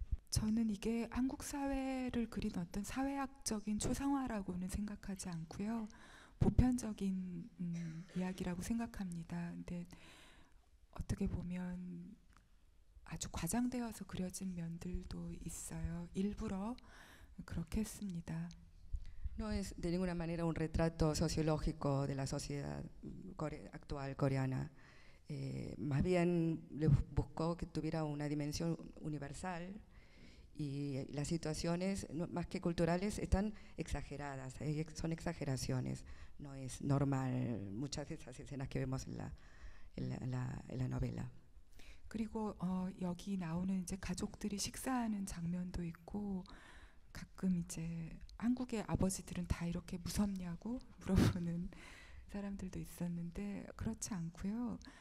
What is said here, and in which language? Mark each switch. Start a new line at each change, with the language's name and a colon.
Korean: 저는 이게 한국 사회를 그린 어떤 사회학적인 초상화라고는 생각하지 않고요. 보편적인 이야기라고 생각합니다. 근데 어떻게 보면 아주 과장되어서 그려진 면들도 있어요. 일부러 그렇게 했습니다.
Spanish: No es de ninguna manera un retrato sociológico de la sociedad actual coreana. Más bien buscó que tuviera una dimensión universal y las situaciones más que culturales están exageradas, son exageraciones, no es normal muchas de esas escenas que vemos en la novela.
Korean: 그리고 여기 나오는 이제 가족들이 식사하는 장면도 있고 가끔 이제 한국의 아버지들은 다 이렇게 무섭냐고 물어보는 사람들도 있었는데 그렇지 않고요.